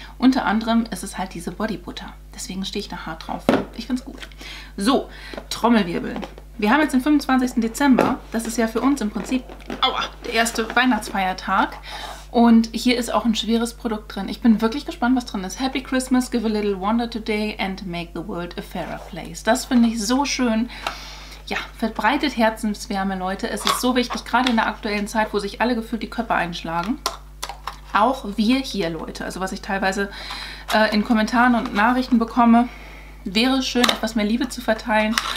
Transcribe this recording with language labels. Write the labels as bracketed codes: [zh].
[de] Unter anderem ist es halt diese Bodybutter. Deswegen stehe ich da hart drauf. Ich finde es gut. So, Trommelwirbel. Wir haben jetzt den 25. Dezember. Das ist ja für uns im Prinzip der erste Weihnachtsfeiertag. Und hier ist auch ein schweres Produkt drin. Ich bin wirklich gespannt, was drin ist. [en] Happy Christmas, give a little wonder today and make the world a fairer place. [de] Das finde ich so schön. Ja, verbreitet Herzenswärme, Leute. Es ist so wichtig, gerade in der aktuellen Zeit, wo sich alle gefühlt die Köpfe einschlagen. Auch wir hier, Leute. Also was ich teilweise in Kommentaren und Nachrichten bekomme, wäre schön, etwas mehr Liebe zu verteilen.